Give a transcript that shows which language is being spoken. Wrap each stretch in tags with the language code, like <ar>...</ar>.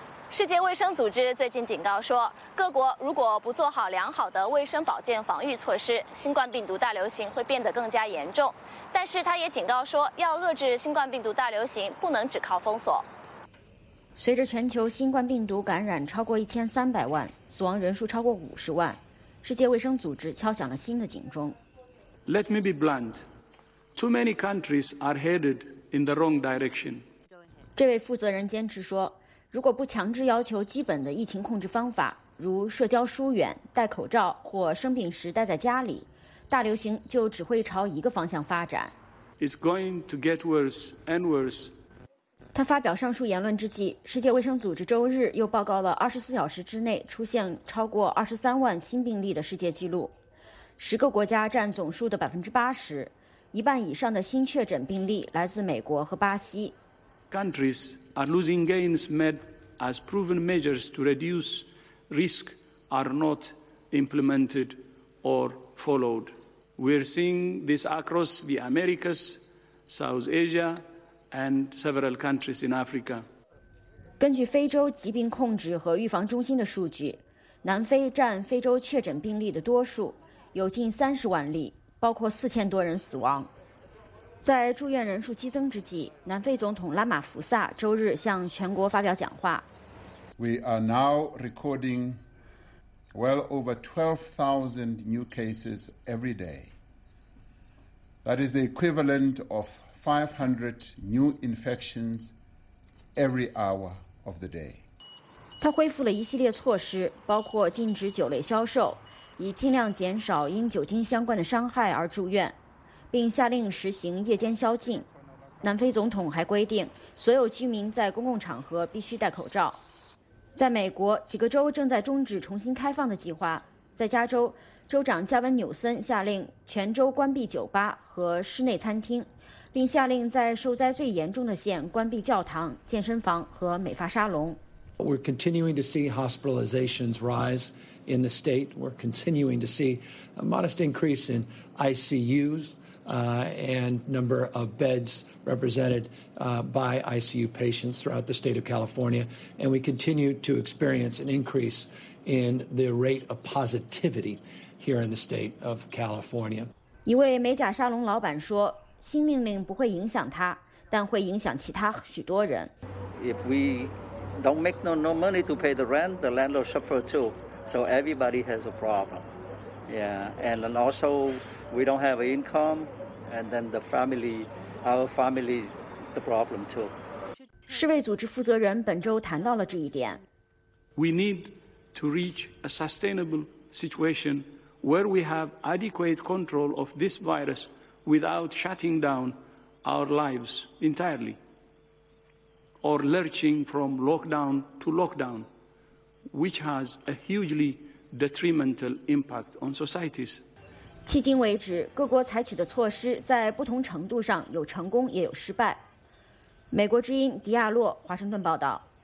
<zh>世界卫生组织最近警告说，各国如果不做好良好的卫生保健防御措施，新冠病毒大流行会变得更加严重。但是他也警告说，要遏制新冠病毒大流行，不能只靠封锁。随着全球新冠病毒感染超过1300万，死亡人数超过50万，世界卫生组织敲响了新的警钟。</zh> <en>Let me be blunt. Too many countries are headed in the wrong direction.</en> <zh>这位负责人坚持说，如果不强制要求基本的疫情控制方法，如社交疏远、戴口罩或生病时待在家里，大流行就只会朝一个方向发展。</zh> <en>It's going to get worse and worse.</en> <zh>他发表上述言论之际，世界卫生组织周日又报告了24小时之内出现超过23万新病例的世界纪录，10个国家占总数的80%，一半以上的新确诊病例来自美国和巴西。</zh> <en>Countries. Are losing gains made as proven measures to reduce risk are not implemented or followed. We're seeing this across the Americas, South Asia, and several countries in Africa.</en> <zh>根据非洲疾病控制和预防中心的数据，南非占非洲确诊病例的多数，有近30万例，包括4000多人死亡。在住院人数激增之际，南非总统拉马福萨周日向全国发表讲话。</zh> <en>We are now recording well over 12,000 new cases every day. That is the equivalent of 500 new infections every hour of the day.</en> <zh>他恢复了一系列措施，包括禁止酒类销售，以尽量减少因酒精相关的伤害而住院。并下令实行夜间宵禁。南非总统还规定，所有居民在公共场合必须戴口罩。在美国，几个州正在终止重新开放的计划。在加州，州长加文纽森下令全州关闭酒吧和室内餐厅，并下令在受灾最严重的县关闭教堂、健身房和美发沙龙。</zh> <en>We're continuing to see hospitalizations rise in the state. We're continuing to see a modest increase in ICUs. And number of beds represented by ICU patients throughout the state of California, and we continue to experience an increase in the rate of positivity here in the state of California.</en> <zh>一位美甲沙龙老板说，新命令不会影响他，但会影响其他许多人。</zh> <en>If we don't make no money to pay the rent, the landlord suffers too. So everybody has a problem. Yeah, and also. We don't have income, and then the family, our family, the problem too.</en> <zh>世卫组织负责人本周谈到了这一点。</zh> <en>We need to reach a sustainable situation where we have adequate control of this virus without shutting down our lives entirely, or lurching from lockdown to lockdown, which has a hugely detrimental impact on societies.</en> <zh>迄今为止，各国采取的措施在不同程度上有成功也有失败。美国之音迪亚洛华盛顿报道。</zh>